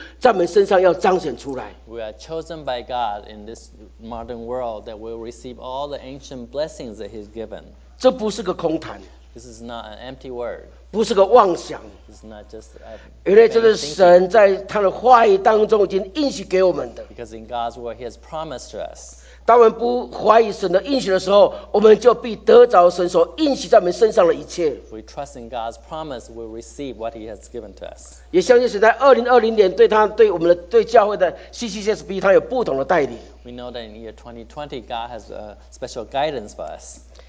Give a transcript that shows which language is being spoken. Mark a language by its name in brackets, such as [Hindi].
[Chinese] 我们是神在这个世代当中，他特别拣选了一群人来承受他从亘古以来要赐福给他子民的祝福，在我们身上要彰显出来。 [English] We are chosen by God in this modern world that will receive all the ancient blessings that He's given. [Chinese] 这不是个空谈。 [English] This is not an empty word. [Chinese] 不是个妄想。 [English] It's not just. [Chinese] 因为这是神在他的话语当中已经应许给我们的。 [English] Because in God's word, He has promised to us. [Chinese] 当我们不怀疑神的应许的时候，我们就必得着神所应许在我们身上的一切。 [English] If we trust in God's promise, we'll receive what He has given to us. [Chinese] 也相信神在2020年对他、对我们的、对教会的CCCSB，他有不同的带领。 [English] We know that in year 2020, God has a special guidance for us.